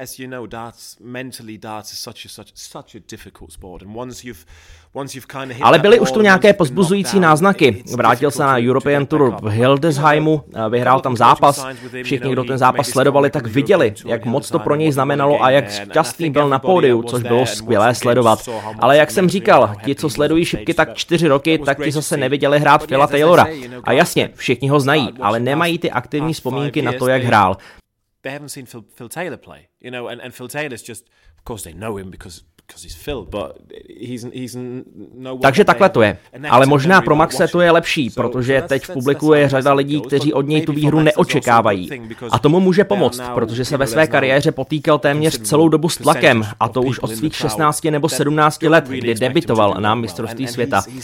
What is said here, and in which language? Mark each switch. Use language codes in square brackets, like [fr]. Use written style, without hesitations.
[en] No, darts is such a difficult sport, and once you've [cs] Ale byly už tu nějaké pozbuzující náznaky. Vrátil se na European Tour v Hildesheimu, vyhrál tam zápas. Všichni, kdo ten zápas sledovali, tak viděli, jak moc to pro něj znamenalo a jak šťastný byl na pódiu, což bylo skvělé sledovat. Ale jak jsem říkal, ti, co sledují šipky tak 4 roky, tak ti zase neviděli hrát Phila Taylora. A jasně, všichni ho znají, ale nemají ty aktivní vzpomínky na to, jak hrál. [en] They haven't seen Phil Taylor play, you know, and Phil Taylor's just, of course they know him because he's Phil, but he's no one. [cs] Takže takhle to je. Ale možná pro Maxe to je lepší, protože teď v publiku je řada lidí, kteří od něj tu výhru neočekávají. A tomu může pomoct, protože se ve své kariéře potýkal téměř celou dobu s tlakem, a to už od svých 16 nebo 17 let, kdy debutoval na mistrovství světa.